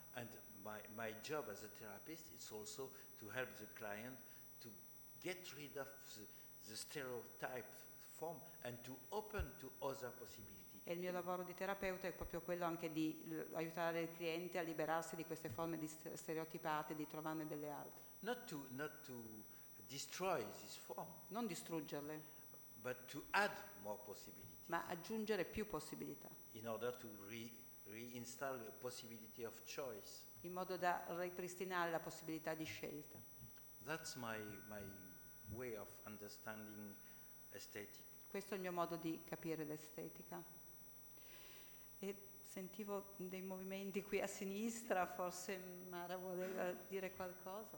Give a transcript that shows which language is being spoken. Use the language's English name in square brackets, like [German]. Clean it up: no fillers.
[English] And my job as a therapist is also to help the client to get rid of the stereotyped form and to open to other possibilities. [Italian] E il mio lavoro di terapeuta è proprio quello anche di aiutare il cliente a liberarsi di queste forme di stereotipate, di trovarne delle altre. [English] Not to destroy this form. [Italian] Non distruggerle. [English] But to add more possibilities. [Italian] Ma aggiungere più possibilità. [English] In order to reinstall the possibility of choice. [Italian] In modo da ripristinare la possibilità di scelta. [English] That's my way of understanding aesthetic. [Italian] Questo è il mio modo di capire l'estetica. E sentivo dei movimenti qui a sinistra, forse Mara voleva dire qualcosa.